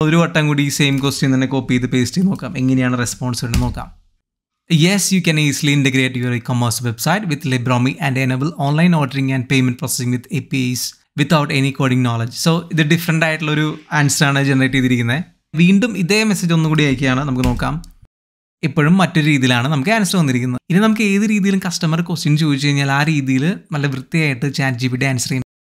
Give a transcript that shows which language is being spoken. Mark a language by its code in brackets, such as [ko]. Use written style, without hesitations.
[ml] ഒരു വട്ടം കൂടി ഈ സെയിം ക്വസ്റ്റ്യൻ തന്നെ കോപ്പി ചെയ്ത് പേസ്റ്റ് ചെയ്ത് നോക്കാം, എങ്ങനെയാണ് റെസ്പോൺസ് എന്ന് നോക്കാം. [en] Yes, you can easily integrate your e-commerce website with Libromi and enable online ordering and payment processing with APIs without any coding knowledge. [ml] So, ഇത് ഡിഫറെൻ്റ് ആയിട്ടുള്ളൊരു ആൻസറാണ് ജനറേറ്റ് ചെയ്തിരിക്കുന്നത്. വീണ്ടും ഇതേ മെസ്സേജ് ഒന്നുകൂടി അയക്കുകയാണ്, നമുക്ക് നോക്കാം. ഇപ്പോഴും മറ്റൊരു രീതിയിലാണ് നമുക്ക് ആൻസർ വന്നിരിക്കുന്നത്. ഇനി നമുക്ക് ഏത് രീതിയിലും കസ്റ്റമർ ക്വസ്റ്റ്യൻ ചോദിച്ചു കഴിഞ്ഞാൽ ആ രീതിയിൽ നല്ല വൃത്തിയായിട്ട് ചാറ്റ് ജിപിടി ആൻസർ ചെയ്യും.